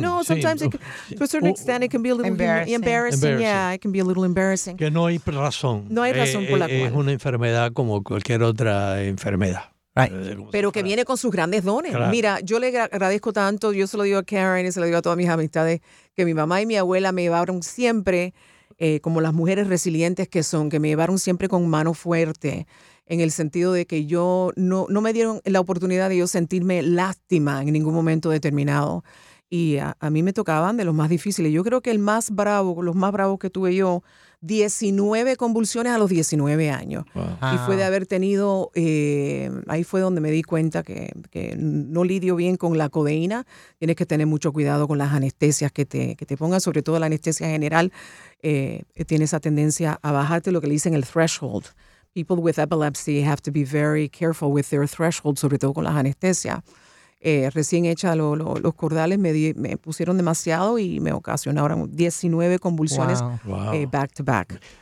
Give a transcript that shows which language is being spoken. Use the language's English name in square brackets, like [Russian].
[English] No, sometimes to a certain extent it can be a little embarrassing. Yeah, it can be a little embarrassing. [Spanish] Que no hay razón. No hay razón por la cual. Es una enfermedad como cualquier otra enfermedad. [English] Right. [Spanish] Pero que viene con sus grandes dones. Claro. Mira, yo le agradezco tanto, yo se lo digo a Karen y se lo digo a todas mis amistades, que mi mamá y mi abuela me llevaron siempre, como las mujeres resilientes que son, que me llevaron siempre con mano fuerte, en el sentido de que yo no me dieron la oportunidad de yo sentirme lástima en ningún momento determinado. Y a mí me tocaban de los más difíciles. Yo creo que el más bravo, los más bravos que tuve yo, 19 convulsiones a los 19 años. Wow. Y fue de haber tenido, ahí fue donde me di cuenta que no lidio bien con la codeína. Tienes que tener mucho cuidado con las anestesias que te pongan, sobre todo la anestesia general. Tiene esa tendencia a bajarte lo que le dicen el threshold. [English] People with epilepsy have to be very careful with their threshold, [Spanish] sobre todo con las anestesias. Recién hecha los cordales me pusieron demasiado y me ocasionaron 19 convulsiones [English] back to back.